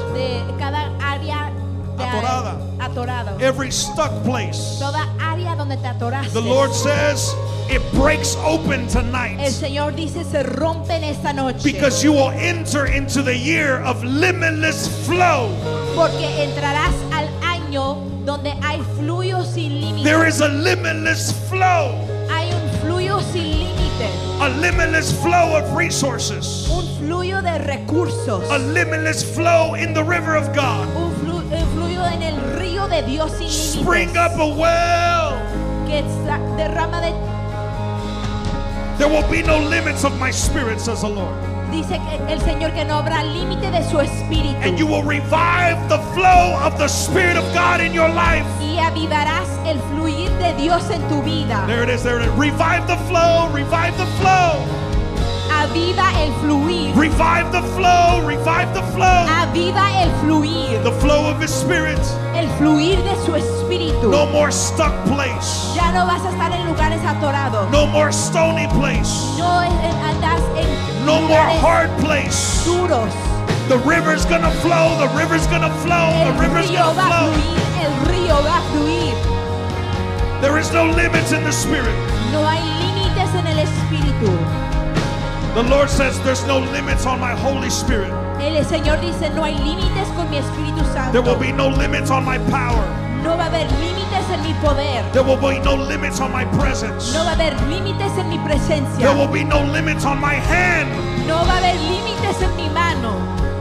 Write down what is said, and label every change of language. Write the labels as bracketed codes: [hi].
[es] de cada área atorada. Atorado. [en] Every stuck place. [es] Toda área donde te atoraste. [en] The Lord says it breaks open tonight. [es] El Señor dice se rompen esta noche. [en] Because you will enter into the year of limitless flow. [es] Porque entrarás al año donde hay fluyo sin límites. [en] There is a limitless flow. [es] Hay un fluyo sin límites. [en] A limitless flow of resources. [es] Un fluyo de recursos. [en] A limitless flow in the river of God. [es] En el río de Dios sin límites. [en] Spring up a well. [es] Que derrama de. [en] There will be no limits of my spirit, says the Lord. [es] Dice el Señor que no habrá límite de su espíritu. [en] And you will revive the flow of the Spirit of God in your life. [es] Y avivarás el fluir de Dios en tu vida. [en] There it is, there it is. Revive the flow, revive the flow. [es] Aviva el fluir. [en] Revive the flow, revive the flow. [es] Aviva el fluir. [en] The flow of his spirit. [es] El fluir de su espíritu. [en] No more stuck place. [es] Ya no vas a estar en lugares atorados. [en] No more stony place. [es] No andas en [en] no more hard place. [es] Duros. [en] The river's gonna flow, the river's gonna flow, [es] el [en] the river's [es] río [en] gonna [es] va [en] flow. [es] Fluir. El río va a fluir. [en] There is no limits in the spirit. [es] No hay límites en el espíritu. [en] The Lord says there's no limits on my Holy Spirit. [es] El Señor dice no hay límites con mi Espíritu Santo. [en] There will be no limits on my power. [es] No va a haber límites en mi poder. [en] There will be no limits on my presence. [es] No va a haber límites en mi presencia. [en] There will be no limits on my hand. [es] No va a haber límites en mi mano.